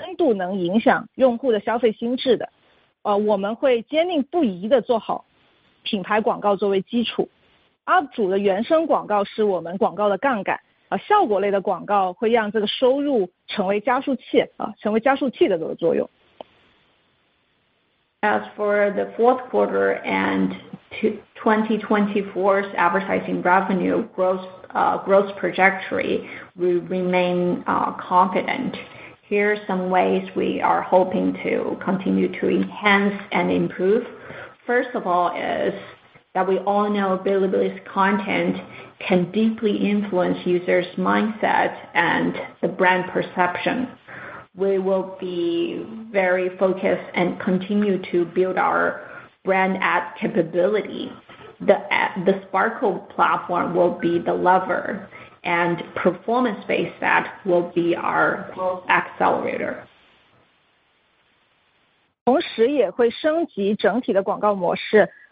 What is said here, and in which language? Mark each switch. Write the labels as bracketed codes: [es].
[zh] 就是可能会有进一步的升级，例如在B站社区的内容，其实大家都知道是深度能影响用户的消费心智的。我们会坚定不移地做好品牌广告作为基础， UP主的原生广告是我们广告的杠杆， 效果类的广告会让这个收入成为加速器的作用。 [en] As for the fourth quarter and 2024's advertising revenue growth trajectory, we remain confident. Here are some ways we are hoping to continue to enhance and improve. First of all is that we all know Bilibili's content can deeply influence users' mindset and the brand perception. We will be very focused and continue to build our brand ad capability. The Sparkle platform will be the lever, and performance-based ad will be our accelerator. [zh] 同时也会升级整体的广告模式。